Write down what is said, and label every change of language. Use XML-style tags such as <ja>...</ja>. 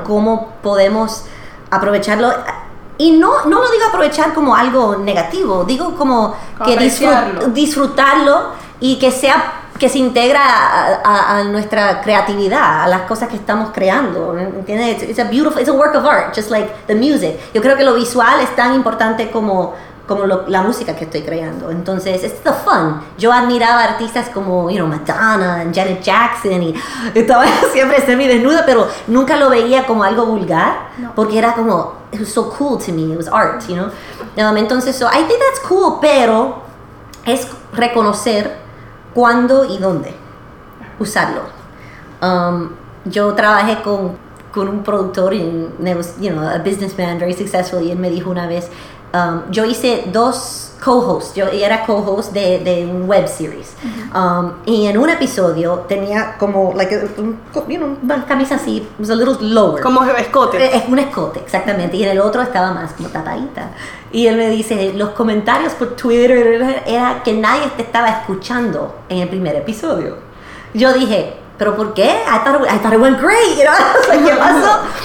<es>Y cómo podemos aprovecharlo. Y no lo digo aprovechar como algo negativo. Digo como que disfrutarlo y que se integra a nuestra creatividad, a las cosas que estamos creando, ¿entiendes?</es> <en>It's a work of art, just like the music.</en> <es>Yo creo que lo visual es tan importante como la música que estoy creando. Entonces,</es> <en>it's the fun.</en> <es>Yo admiraba artistas como,</es> <en>you know,</en> <es>Madonna and Janet Jackson, y estaba siempre semidesnuda, pero nunca lo veía como algo vulgar, porque era como,</es> <en>it was so cool to me, it was art, you know?</en> <es>Entonces,</es> <en>so I think that's cool,</en> <es>pero es reconocer cuándo y dónde usarlo. Yo trabajé con un productor,</es> <en>a businessman, very successful,</en> <es>y él me dijo una vez, yo hice dos co-hosts, yo era co-host de un web series. Y en un episodio tenía como,</es> <en>like,</en> <es>una camisa así,</es> <en>it was a little lower.</en> <es>Como escote. Es un escote, exactamente. Y en el otro estaba más como tapadita. Y él me dice, los comentarios por Twitter era que nadie te estaba escuchando en el primer episodio. Yo dije, ¿pero por qué?</es> <en>I thought it went great, you know? I was like,</en> <es>¿qué pasó?</es>